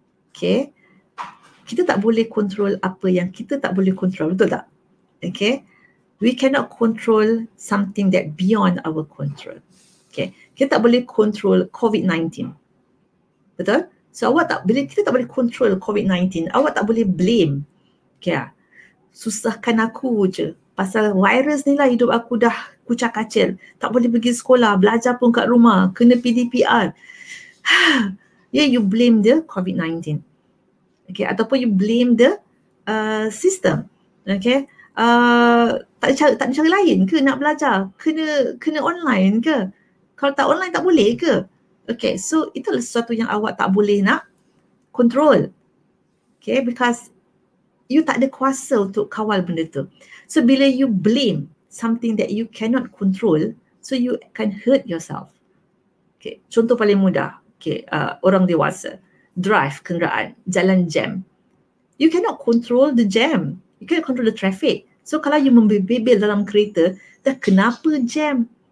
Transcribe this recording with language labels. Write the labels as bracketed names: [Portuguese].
[Malay] Okay, kita tak boleh kontrol apa yang kita tak boleh kontrol, betul tak? [English] Okay, we cannot control something that beyond our control. [Malay] Okay, kita tak boleh kontrol COVID-19, betul? So awak tak boleh, kita tak boleh kontrol COVID-19. Awak tak boleh blame. Okay, susahkan aku je pasal virus ni lah, hidup aku dah kucak kacil. Tak boleh pergi sekolah, belajar pun kat rumah, kena PDPR. [English] Yeah, you blame the COVID-19. Okay, ataupun you blame the system. [Malay] Okay, tak ada cara lain ke nak belajar? Kena online ke? Kalau tak online tak boleh ke? Okay, so itulah sesuatu yang awak tak boleh nak control. Okay, [English] because you [Malay] tak ada kuasa untuk kawal benda tu. [English] So bila you blame something that you cannot control, so you can hurt yourself. [Malay] Okay, contoh paling mudah. Okay, orang dewasa drive kenderaan, jalan jam. [English] You cannot control the jam. You cannot control the traffic. So [Malay] kalau you membebel dalam kereta, dah kenapa jam?